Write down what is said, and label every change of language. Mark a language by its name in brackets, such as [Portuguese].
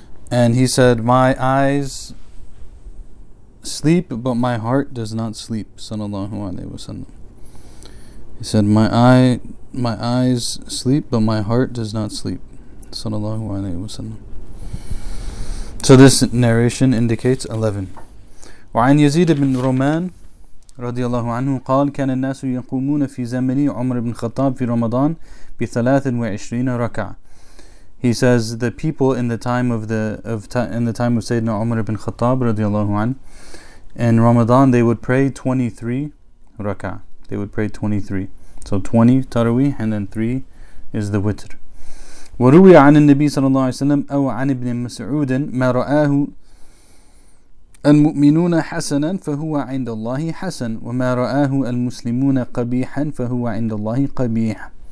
[English] And he said, my eyes sleep, but my heart does not sleep, sallallahu alayhi wa sallam. He said, my eyes sleep, but my heart does not sleep, sallallahu alayhi wa sallam. So this narration indicates 11. [Arabic] وعن يزيد بن رومان رضي الله عنه قال كان الناس يقومون في زمن عمر بن خطاب في رمضان بثلاث وعشرين ركعة. [English] He says the people in the time of the time of Sayyidina Umar ibn Khattab radiallahu an, in Ramadan they would pray 23 rak'ah. They would pray 23. So 20 tarawih and then 3 is the witr. [Arabic] وَرُوِيَ عَنِ النَّبِيِّ صَلَّى اللَّهُ عَلَيْهِ وَسَلَّمَ أَوْ عَنِ ابْنِ مَسْعُودٍ مَا رَآهُ الْمُؤْمِنُونَ حَسَنًا فَهُوَ عِنْدَ اللَّهِ حَسَنٌ وَمَا رَآهُ الْمُسْلِمُونَ قَبِيحًا فَهُوَ عِنْدَ اللَّهِ قَبِيحٌ.